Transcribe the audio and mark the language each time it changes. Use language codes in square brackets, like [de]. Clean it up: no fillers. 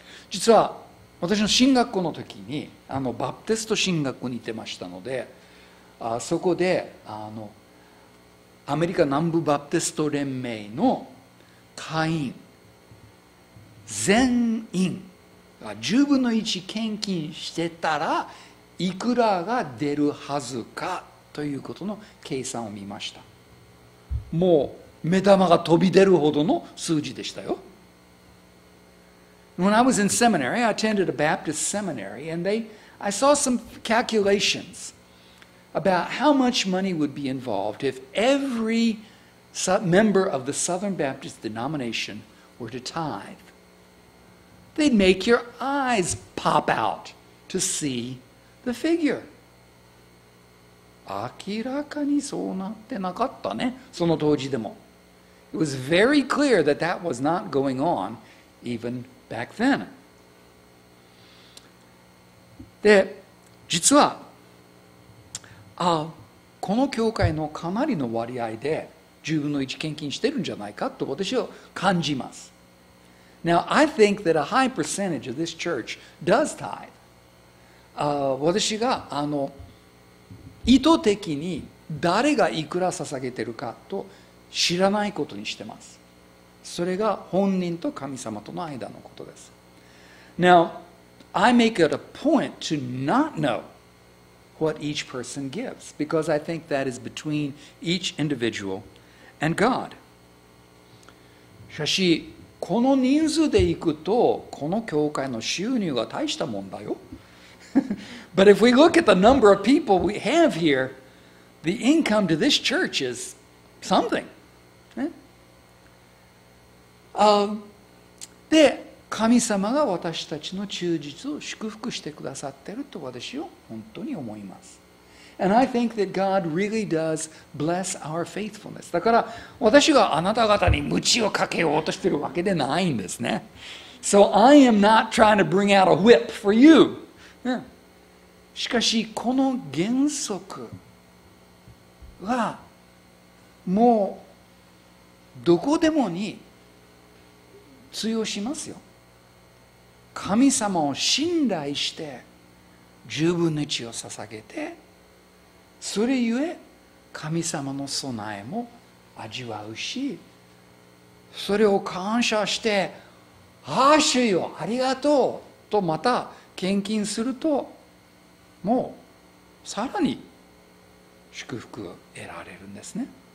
[ja] 実は私の神学校の時にバプテスト神学校に行ってましたのでそこでアメリカ南部バプテスト連盟の会員全員10分の1献金してたらいくらが出るはずかということの計算を見ました。もう目玉が飛び出るほどの数字でしたよ。 [en] When I was in seminary, I attended a Baptist seminary and I saw some calculations about how much money would be involved if every member of the Southern Baptist denomination were to tithe. They'd make your eyes pop out to see the figure. [ja] 明らかにそうなってなかったね、その当時でも。 [en] It was very clear that that was not going on even back then. [ja] で、実は、この教会のかなりの割合で10分の1献金してるんじゃないかと私は感じます。 [en] Now, I think that a high percentage of this church does tithe. [ja] 私が意図的に誰がいくら捧げてるかと知らないことにしてます。それが本人と神様との間のことです。 [en] Now, I make it a point to not know what each person gives because I think that is between each individual and God. [ja] しかし、この人数で行くと、この教会の収入が大したもんだよ。 [en] But if we look at the number of people we have here, the income to this church is something.、 [ja] ね、で、神様が私たちの忠実を祝福してくださってると私は本当に思います。 [en] And I think that God really does bless our faithfulness. [ja] だから私があなた方に鞭をかけようとしているわけでないんですね。 [en] So I am not trying to bring out a whip for you. [ja] しかしこの原則はもうどこでもに通用しますよ。神様を信頼して十分の一を捧げて、それゆえ神様の備えも味わうし、それを感謝して「ああ主よありがとう」とまた献金すると、もうさらに祝福を得られるんですね。